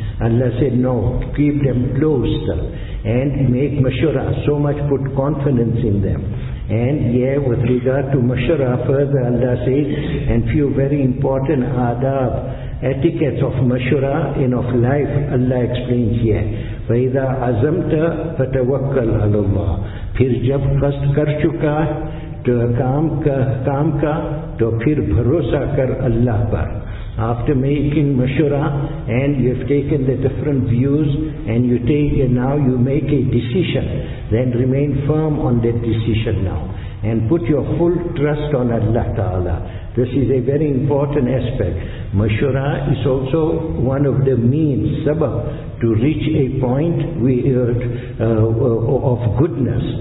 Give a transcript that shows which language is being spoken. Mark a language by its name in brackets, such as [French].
[English] Allah said, no, keep them close, and make mashura, so much put confidence in them. And yeah, with regard to mashura, further Allah says, and few very important adab, etiquettes of mashura and of life, Allah explains here. [Arabic] فَإِذَا عَزَمْتَ فَتَوَكَّلْ عَلَى اللَّهِ [Urdu] پھر جب قصد کر چکا تو کام کا تو پھر بھروسہ کر اللہ پر. [English] After making mashura, and you have taken the different views, and you take, and now you make a decision, then remain firm on that decision now, and put your full trust on Allah Ta'ala. This is a very important aspect. Mashura is also one of the means, sabab, to reach a point of goodness.